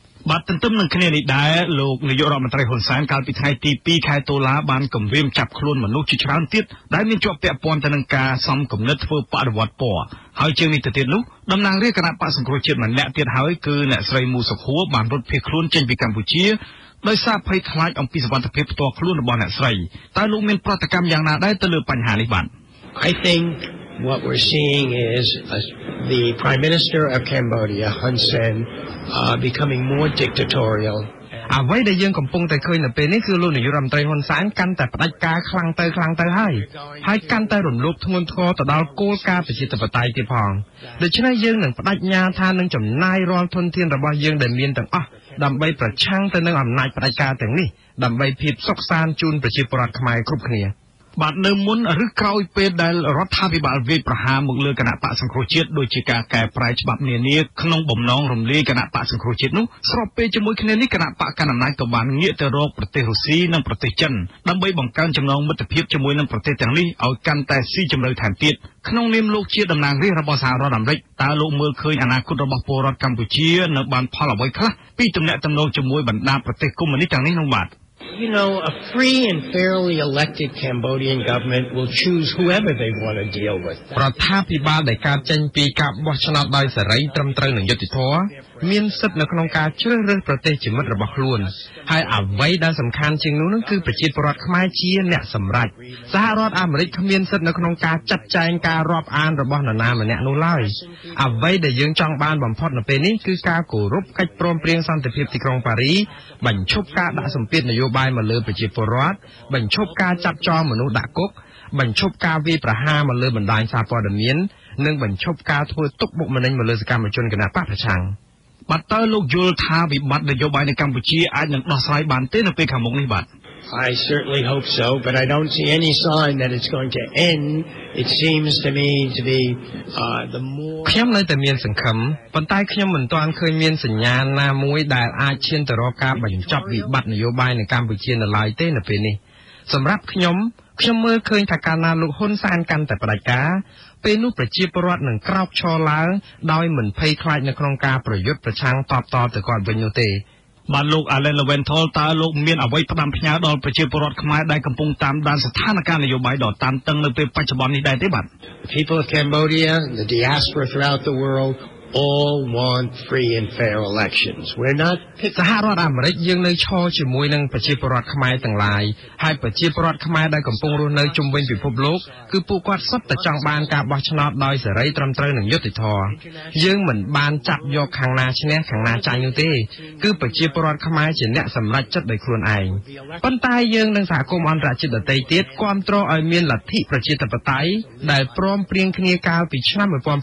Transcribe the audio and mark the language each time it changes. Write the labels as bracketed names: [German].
[Khmer] បាទទន្ទឹមនឹងគ្នានេះដែរលោកនាយករដ្ឋមន្ត្រីហ៊ុនសែនកាលពីថ្ងៃទី2ខែតុលាបានគម្រាមចាប់ខ្លួនមនុស្សជាច្រើនទៀតដែលមានជាប់ពាក់ព័ន្ធទៅនឹងការសំគំនិតធ្វើបដិវត្តពណ៌ហើយជាងនេះទៅទៀតនោះតំណាងរាជគណៈបក្សសង្គ្រោះជាតិម្នាក់ទៀតហើយគឺអ្នកស្រីមូសុខួរបានរត់ភៀសខ្លួនចេញពីកម្ពុជាដោយសារភ័យខ្លាចអំពីសវត្ថិភាពផ្ទាល់ខ្លួនរបស់អ្នកស្រីតើលោកមានប្រតិកម្មយ៉ាងណាដែរទៅលើបញ្ហានេះបាទ [English] I think what we're seeing is the Prime Minister of Cambodia, Hun Sen, becoming more dictatorial. [Khmer] អ្វីដែលយើងកំពុងតែឃើញនៅពេលនេះគឺលោកនាយករដ្ឋមន្ត្រីហ៊ុនសែនកាន់តែផ្ដាច់ការខ្លាំងទៅហើយកាន់តែរំលោភធ្ងន់ធ្ងរទៅដល់គោលការណ៍ប្រជាធិបតេយ្យទៀតផង។ដូច្នេះយើងនឹងផ្ដាច់ញាថានឹងចំណាយរាល់ធនធានរបស់យើងដែលមានទាំងអស់ដើម្បីប្រឆាំងទៅនឹងអំណាចផ្ដាច់ការទាំងនេះដើម្បីភាពសុខសាន្តជូនប្រជាពលរដ្ឋខ្មែរគ្រប់គ្នា។ បាទនៅមុនឬក្រោយពេលដែលរដ្ឋាភិបាលវាយប្រហារមកលើគណៈបក្សសង្គ្រោះជាតិដោយជាការកែប្រែច្បាប់នានាក្នុងបំណងរំលាយគណៈបក្សសង្គ្រោះជាតិនោះស្របពេលជាមួយគ្នានេះគណៈបក្សកណ្ដាលអំណាចក៏បានងាកទៅរកប្រទេសរុស្ស៊ីនិងប្រទេសចិនដើម្បីបង្កើនចំណងមិត្តភាពជាមួយនឹងប្រទេសទាំងនេះឲ្យកាន់តែស៊ីជម្រៅថែមទៀតក្នុងនាមលោកជាតំណាងរាស្ត្ររបស់សហរដ្ឋអាមេរិកតើលោកមើលឃើញអនាគតរបស់ពលរដ្ឋកម្ពុជានៅបានផលអ្វីខ្លះពីទំនាក់ទំនងជាមួយបណ្ដាប្រទេសកុម្មុយនីសទាំងនេះនោះបាទ [English] You know, a free and fairly elected Cambodian government will choose whoever they want to deal with. [Khmer] ប្រធានាធិបតីដែលកាត់ចែងពីការបោះឆ្នោតដោយសេរីត្រឹមត្រូវនឹងយុត្តិធម៌មានសិទ្ធិនៅក្នុងការជ្រើសរើសប្រទេសជាមិត្តរបស់ខ្លួនហើយអ្វីដែលសំខាន់ជាងនោះនឹងគឺប្រជាពលរដ្ឋខ្មែរជាអ្នកសម្រេចសហរដ្ឋអាមេរិកគ្មានសិទ្ធិនៅក្នុងការចាត់ចែងការរាប់អានរបស់នរណាម្នាក់នោះឡើយ អ្វីដែលយើងចង់បានបំផុតនៅពេលនេះគឺការគោរពកិច្ចព្រមព្រៀងសន្តិភាពទីក្រុងប៉ារីសបញ្ឈប់ការដាក់សម្ពាធនយោបាយមកលើប្រជាពលរដ្ឋបញ្ឈប់ការចាប់ចោលមនុស្សដាក់គុកបញ្ឈប់ការវាយប្រហារមកលើបណ្ដាញសារព័ត៌មាននិងបញ្ឈប់ការធ្វើទុកបុកម្នេញមកលើសកម្មជនគណបក្សប្រឆាំងបាទតើលោកយល់ថាវិបត្តិនយោបាយនៅកម្ពុជាអាចនឹងដោះស្រាយបានទេនៅពេលខាងមុខនេះបាទ [English] I certainly hope so but I don't see any sign that it's going to end it seems to me to be the more [Khmer] ខ្ញុំនៅតែមានសង្ឃឹមប៉ុន្តែខ្ញុំមិនទាន់ឃើញមានសញ្ញាណាមួយដែលអាចឈានទៅរកការបញ្ចប់វិបត្តិនយោបាយនៅកម្ពុជានៅឡើយទេនៅពេលនេះសម្រាប់ខ្ញុំមើលឃើញថាកាលណាលោកហ៊ុនសែនកាន់តែបដិការពេលនោះប្រជាពលរដ្ឋនឹងក្រោកឈរឡើងដោយមិនភ័យខ្លាចនៅក្នុងការប្រយុទ្ធប្រឆាំងតបតទៅគាត់វិញនោះទេបាទលោកអាឡែនលូវែនថុលតើលោកមានអ្វីផ្ដាំផ្ញើដល់ប្រជាពលរដ្ឋខ្មែរដែលកំពុងតាមដានស្ថានភាពនយោបាយដ៏តានតឹងនៅពេលបច្ចុប្បន្ននេះដែរទេបាទ [English] People of Cambodia the diaspora throughout the world all want free and fair elections we're not [Khmer] សហរដ្ឋអាមេរិកយើងនៅឈរជាមួយនឹងប្រជាពលរដ្ឋខ្មែរទាំងឡាយហើយប្រជាពលរដ្ឋខ្មែរដែលកំពុងរស់នៅជុំវិញពិភពលោកគឺពួកគាត់សុទ្ធតែចង់បានការបោះឆ្នោតដោយសេរីត្រឹមត្រូវនិងយុត្តិធម៌យើងមិនបានចាប់យកខាងណាឈ្នះខាងណាចាញ់នោះទេគឺប្រជាពលរដ្ឋខ្មែរជាអ្នកសម្រេចចិត្តដោយខ្លួនឯងប៉ុន្តែយើងនិងសហគមន៍អន្តរជាតិដទៃទៀតគ្រប់គ្រងឲ្យមានលទ្ធិប្រជាធិបតេយ្យដែលព្រមព្រៀងគ្នាកាលពីឆ្នាំ1991